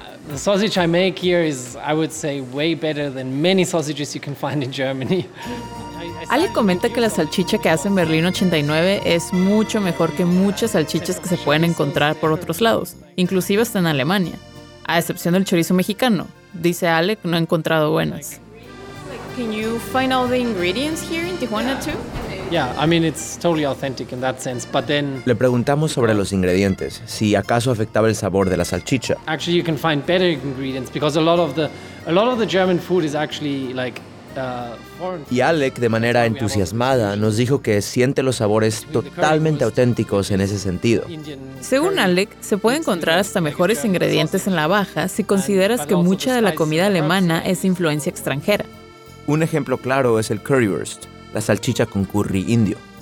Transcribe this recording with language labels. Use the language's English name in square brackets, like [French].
[English] The sausage I make here is, I would say, way better than many sausages you can find in Germany. [Spanish] Ale comenta que la salchicha que hace en Berlín 89 es mucho mejor que muchas salchichas que se pueden encontrar por otros lados, inclusive hasta en Alemania, a excepción del chorizo mexicano. Dice Ale, no he encontrado buenas. [English] Can you find all the ingredients here in Tijuana too? [Spanish] Le preguntamos sobre los ingredientes, si acaso afectaba el sabor de la salchicha. [English] Actually, you can find better ingredients because a lot of the German food is actually like foreign. [Spanish] Y Alec, de manera entusiasmada, nos dijo que siente los sabores totalmente auténticos en ese sentido. Según Alec, se puede encontrar hasta mejores ingredientes en la baja si consideras que mucha de la comida alemana es influencia extranjera. Un ejemplo claro es el currywurst, la salchicha con curry indio.